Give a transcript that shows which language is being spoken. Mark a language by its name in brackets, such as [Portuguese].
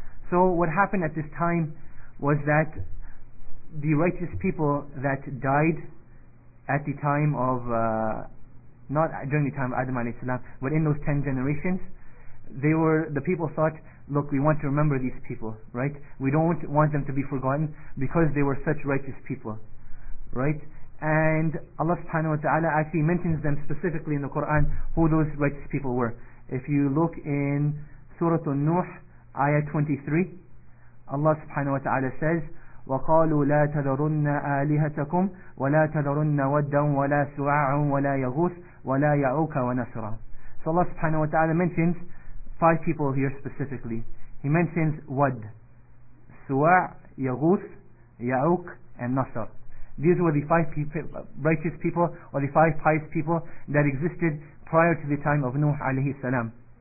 [English] So what happened at this time was that the righteous people that died at the time of, not during the time of Adam alayhi salam, but in those 10 generations, they were, the people thought, look, we want to remember these people, right? We don't want them to be forgotten because they were such righteous people, right? And Allah subhanahu wa ta'ala actually mentions them specifically in the Quran, who those righteous people were. If you look in Surah An-Nuh, Ayah 23, Allah subhanahu wa ta'ala says, [Arabic] وَقَالُوا لَا تَذَرُنَّ آلِهَتَكُمْ وَلَا تَذَرُنَّ وَدًّا وَلَا سُوَاعًا وَلَا يَغُوثَ وَلَا يَعُوكَ وَنَسْرًا. [English] So Allah subhanahu wa ta'ala mentions five people here specifically. He mentions Wad, Suwa', Yaghuth, Ya'uk, and Nasr. These were the five righteous people, or the five pious people that existed prior to the time of Nuh alayhi salam.